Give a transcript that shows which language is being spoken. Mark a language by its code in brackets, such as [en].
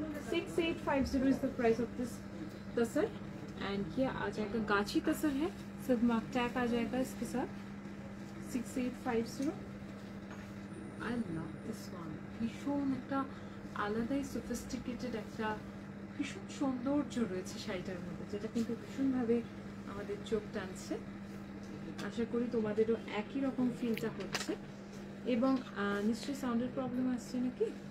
[en] 6850 is the price of this tassar. [hi] And ये आ जाएगा गाची तसर है, सिर्फ मार्क टैग आ जाएगा इसके साथ 6850. [en] I love this one. [bn] ভীষণ একটা আলাদাই সোফিস্টিকেটেড একটা ভীষণ সৌন্দর্য রয়েছে শাড়িটার মধ্যে, যেটা কিন্তু ভীষণভাবে আমাদের চোখ টানছে। আশা করি তোমাদেরও একই রকম ফিলটা হচ্ছে। এবং নিশ্চয়ই সাউন্ডের প্রবলেম আসছে নাকি?